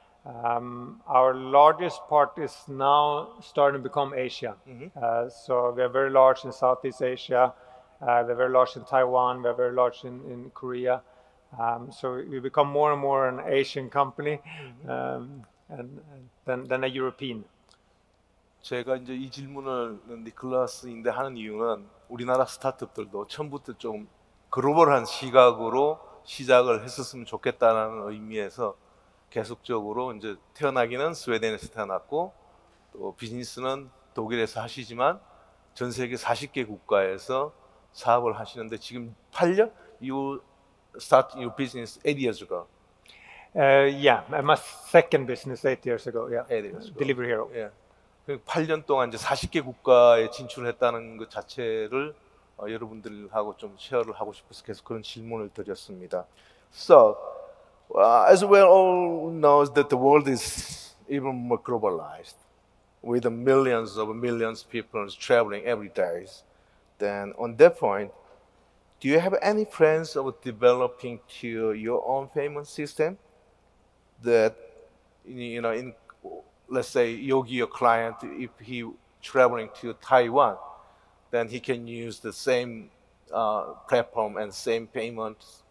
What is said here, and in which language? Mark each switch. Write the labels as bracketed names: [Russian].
[English] Our largest part is now starting to become Asia. So we are very large in Southeast Asia. We are very large in Taiwan. We are very large in Korea. So we become more and more an Asian company and then a European. [Korean] 제가 이제 이 질문을 니클라스인데 하는 이유는 우리나라 스타트업들도 처음부터 좀 글로벌한 시각으로 시작을 했었으면 좋겠다는 의미에서 계속적으로 이제 태어나기는 스웨덴에서 태어났고 또 비즈니스는 독일에서 하시지만 전 세계 40개 국가에서 사업을 하시는데 지금 8년? [English] You start your business 8 years ago. Yeah, my second business 8 years ago. Yeah. 8 years ago. Delivery Hero. Yeah. [Korean] 8년 동안 이제 40개 국가에 진출했다는 것 자체를 여러분들하고 좀 쉐어를 하고 싶어서 계속 그런 질문을 드렸습니다. [English] So, as we all know that the world is even more globalized, with millions of millions of people traveling every day, then on that point, do you have any plans of developing to your own payment system that, you know, in, let's say, Yogiyo client, if he traveling to Taiwan, then he can use the same platform and same payment?